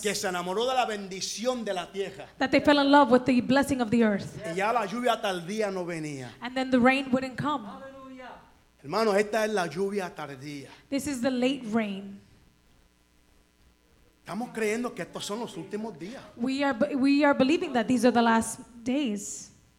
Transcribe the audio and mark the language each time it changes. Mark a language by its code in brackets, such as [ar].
[es] que se enamoró de la bendición de la tierra. [en] That they fell in love with the blessing of the earth. [es] Y ya la lluvia tardía no venía. [en] And then the rain wouldn't come. [es] Hermano, esta es la lluvia tardía. [en] This is the late rain. [es] Estamos creyendo que estos son los últimos días. [en] We are believing that these are the last days.